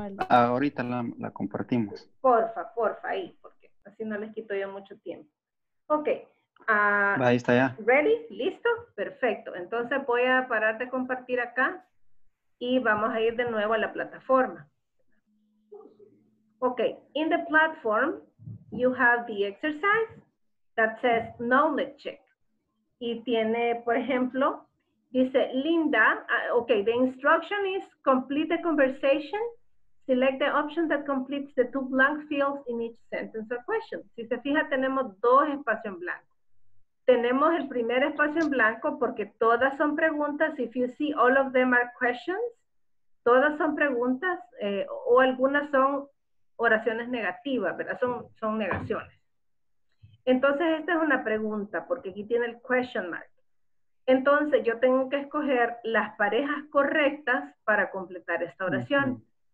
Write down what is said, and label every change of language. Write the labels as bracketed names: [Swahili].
[Spanish] Ahorita la compartimos. Porfa, ahí, porque así no les quito yo mucho tiempo. Ok. Ahí está ya. ¿Ready? ¿Listo? Perfecto. Entonces voy a parar de compartir acá y vamos a ir de nuevo a la plataforma. [English] Ok, in the platform, you have the exercise that says knowledge check. [Spanish] Y tiene, por ejemplo, dice Linda, [English] the instruction is complete the conversation, select the option that completes the two blank fields in each sentence or question. [Spanish] Si se fija, tenemos dos espacios en blanco. Tenemos el primer espacio en blanco porque todas son preguntas. [English] If you see, all of them are questions. [Spanish] Todas son preguntas o algunas son oraciones negativas, ¿verdad? Son negaciones. Entonces, esta es una pregunta, porque aquí tiene el question mark. Entonces, yo tengo que escoger las parejas correctas para completar esta oración.